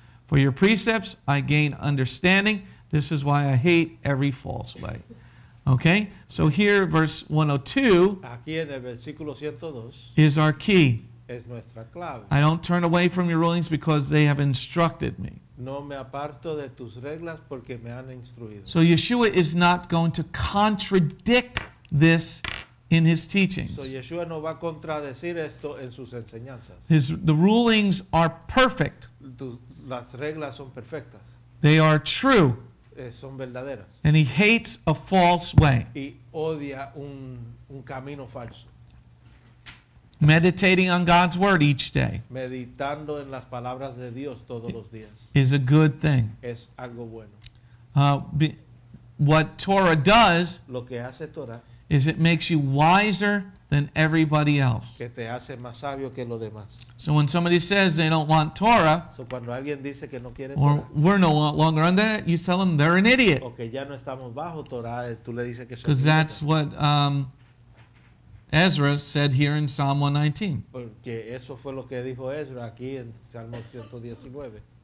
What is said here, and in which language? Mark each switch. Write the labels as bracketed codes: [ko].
[en] For your precepts I gain understanding. This is why I hate every false way. Okay? So here, verse 102, [es] aquí en el versículo 102, [en] is our key. [es] Es nuestra clave. [en] I don't turn away from your rulings because they have instructed me. [es] No me aparto de tus reglas porque me han instruido. [en] So Yeshua is not going to contradict this in his teachings. [es] So Yeshua no va a contradecir esto en sus enseñanzas. [en] The rulings are perfect. [es] Las reglas son perfectas. [en] They are true. [es] Son verdaderas. [en] And he hates a false way. [es] Y odia un camino falso. [en] Meditating on God's word each day. [es] Meditando en las palabras de Dios todos los días. [en] Is a good thing. [es] Es algo bueno. [en] What Torah does, [es] lo que hace Torah, [en] is it makes you wiser than everybody else. [es] Que te hace más sabio que lo demás. [en] So when somebody says they don't want Torah, [es] so cuando alguien dice que no quiere [en] or Torah, we're no longer under that, you tell them they're an idiot. [es] O que ya no estamos bajo Torah, tú le dices que son. [en] Because that's what Ezra said here in Psalm 119. [es] Porque eso fue lo que dijo Ezra aquí en Salmo 119.